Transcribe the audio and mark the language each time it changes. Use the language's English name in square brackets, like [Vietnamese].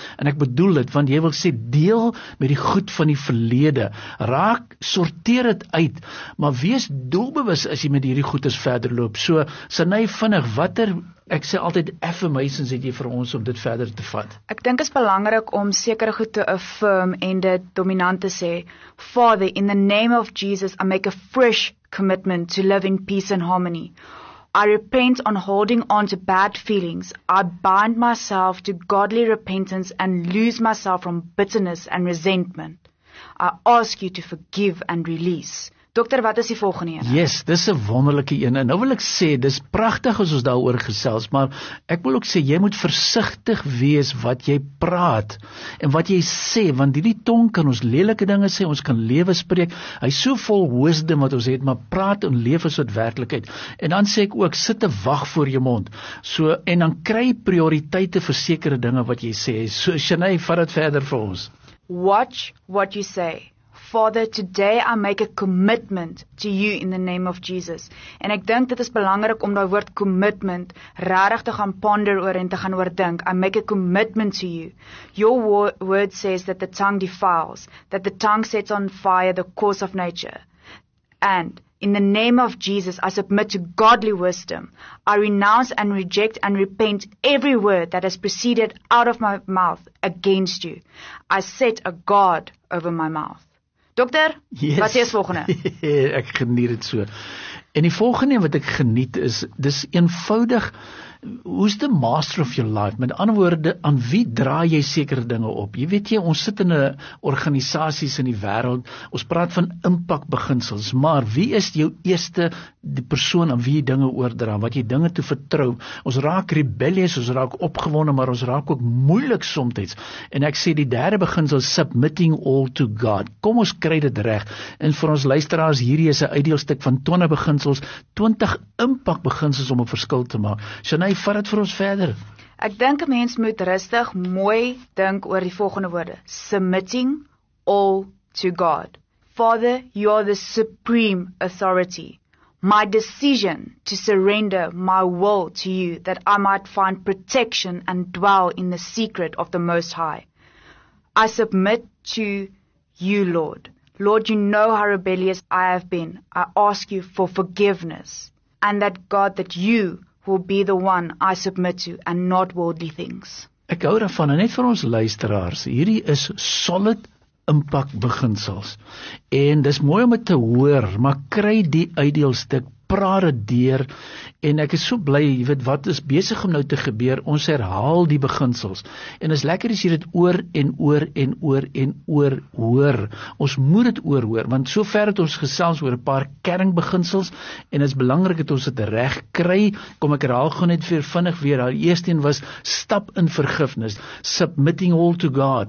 [Afrikaans] En ek bedoel dit, want jy wil sê deel met die goed van die verlede. Raak, sorteer dit uit, maar wees doelbewus as jy met hierdie goedes verder loop. So, Sanay vinnig, watter ek sê altyd affirmations het jy vir ons om dit verder te vat? Ek dink is belangrik om sekere goed te affirm en dit dominant te sê. [English] Father, in the name of Jesus, I make a fresh commitment to live in peace and harmony. I repent on holding on to bad feelings. I bind myself to godly repentance and lose myself from bitterness and resentment. I ask you to forgive and release. [Afrikaans] Dokter, wat is die volgende een? Yes, dis 'n wonderlike een. En nou wil ek sê, dis pragtig as ons daaroor gesels, maar ek wil ook sê, jy moet versigtig wees wat jy praat en wat jy sê, want die tong kan ons lelike dinge sê, ons kan lewe spreek. Hy is so vol wisdom wat ons het, maar praat en lewe is wat werklikheid. En dan sê ek ook, sit 'n wag voor jou mond. So, en dan kry prioriteite vir sekere dinge wat jy sê. So, Shanay, vat dit verder vir ons. [English] Watch what you say. Father, today I make a commitment to you in the name of Jesus. [Afrikaans] En ek dink dit is belangrik om daai woord commitment regtig te gaan ponder oor en te gaan oordink. [English] I make a commitment to you. Your word says that the tongue defiles, that the tongue sets on fire the course of nature. And in the name of Jesus, I submit to godly wisdom. I renounce and reject and repent every word that has proceeded out of my mouth against you. I set a guard over my mouth. [Afrikaans] Dokter, [English] yes. [Afrikaans] Wat is volgende? Ek geniet dit so. En die volgende wat ek geniet is, dis eenvoudig, [English] who's the master of your life? [Afrikaans] Met ander woorde, aan wie draai jy sekere dinge op? Jy weet jy, ons sit in 'n organisasies in die wêreld, ons praat van impakbeginsels, maar wie is jou eerste die persoon aan wie jy dinge oordra, wat jy dinge toe vertrou? Ons raak rebellious, ons raak opgewonde, maar ons raak ook moeilik soms. En ek sê die derde beginsel is [English] submitting all to God. [Afrikaans] Kom ons kry dit reg. En vir ons luisteraars, hierdie is 'n uitdeelstuk van 20 beginsels, 20 impakbeginsels om 'n verskil te maak. Shanay, vat dit vir ons verder. Ek dink 'n mens moet rustig mooi dink oor die volgende woorde: [English] submitting all to God. Father, you are the supreme authority. My decision to surrender my will to you that I might find protection and dwell in the secret of the Most High. I submit to you, Lord. Lord, you know how rebellious I have been. I ask you for forgiveness and that God that you will be the one I submit to and not worldly things. [Afrikaans] Ek hou daarvan, net vir ons luisteraars, hierdie is solid impakbeginsels. En dis mooi om dit te hoor, maar kry die uitdeelstuk, praat dit deur. En ek is so bly, jy weet wat is besig om nou te gebeur, ons herhaal die beginsels. En is lekker as jy dit oor en oor en oor en oor hoor. Ons moet dit oor hoor, want sover het ons gesels oor 'n paar kernbeginsels en is belangrik dat ons dit reg kry. Kom ek herhaal gou net weer vinnig weer. Die eerste een was stap in vergifnis, [English] submitting all to God.